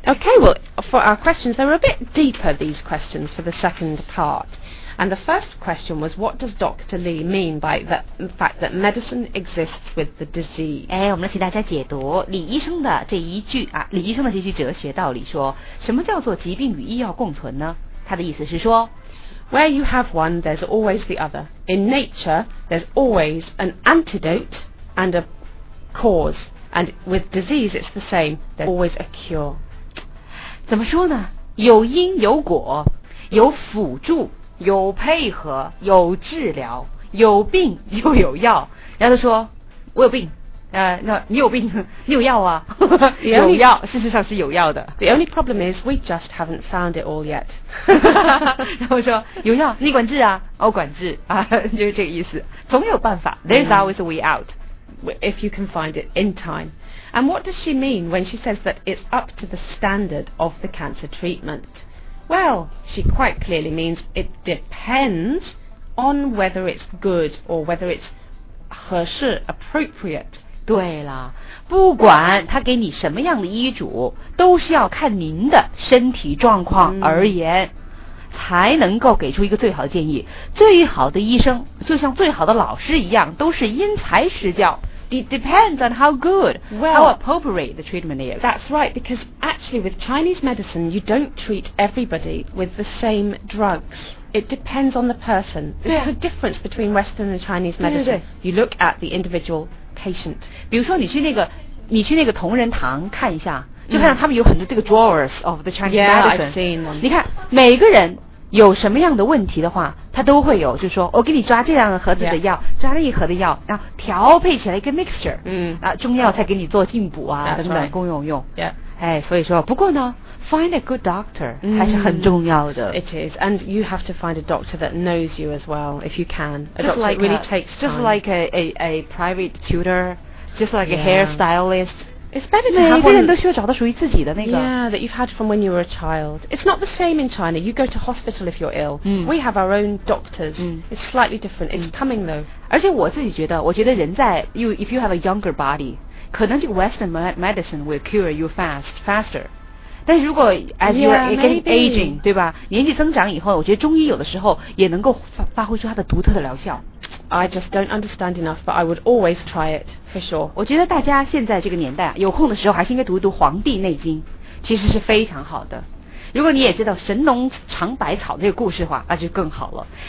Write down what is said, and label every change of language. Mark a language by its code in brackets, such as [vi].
[en] Okay, well, for our questions, they were a bit deeper, these questions, for the second part. And the first question was, what does Dr. Lee mean by the fact that medicine exists with the disease? [zh] 哎，我们来请大家解读李医生的这一句啊，李医生的这句哲学道理说，什么叫做疾病与医药共存呢？他的意思是说， [en] Where you have one, there's always the other. In nature, there's always an antidote and a cause. And with disease, it's the same. There's always a cure. [zh] 怎么说呢？有因有果，有辅助，有配合，有治疗，有病就有药。然后他说，我有病，你有病，你有药啊。有药，事实上是有药的。 [en] The only problem is we just haven't found it all yet. [zh] 然后说，有药，你管治啊，我管治啊，就是这个意思。总有办法。 [en] There's always a way out. If you can find it in time. And what does she mean when she says that it's up to the standard of the cancer treatment? Well, she quite clearly means it depends on whether it's good or whether it's [zh] 合适 [en] appropriate. [zh] 对了，不管他给你什么样的医嘱，都是要看您的身体状况而言，才能够给出一个最好的建议。最好的医生就像最好的老师一样，都是因材施教。 [en] It depends on how good, well, how appropriate the treatment is. That's right, because actually with Chinese medicine, you don't treat everybody with the same drugs. It depends on the person. There's a difference between Western and Chinese medicine. [zh] 对对对 [en] you look at the individual patient. [zh] 比如说你去那个同仁堂看一下，就看到他们有很多这个 [en] drawers of the Chinese medicine. Yeah, I've seen one. [zh] 你看每个人有什么样的问题的话，他都会有，就说我给你抓这样的盒子的药、 [en] yeah. [zh] 抓了一盒的药，然后调配起来一个 mixture、 mm. 啊、中药才给你做进补啊等等共用用、 [en] yeah. [zh] 哎、所以说不过呢 [en] find a good doctor、 [zh] mm. 还是很重要的。 [en] It is, and you have to find a doctor that knows you as well if you can. A just doctor like really takes just like a private tutor, just like、 yeah. a hairstylist. It's better to have one. [zh] 都需要找到属于自己的那个。 [en] Yeah, that you've had from when you were a child. It's not the same in China. You go to hospital if you're ill.、嗯、 We have our own doctors.、嗯、 It's slightly different. It's、嗯、 coming though. [zh] 而且我自己觉得，我觉得人在 [en] you if you have a younger body, [zh] 可能这个 [en] Western medicine will cure you faster. [zh] 但如果 [en] as you get aging, [zh] 对吧？年纪增长以后，我觉得中医有的时候也能够发挥出它的独特的疗效。 [en] I just don't understand enough, but I would always try it for sure. [zh] 我觉得大家现在这个年代有空的时候还是应该读一读《黄帝内经》，其实是非常好的。如果你也知道神农尝百草这个故事的话，那就更好了。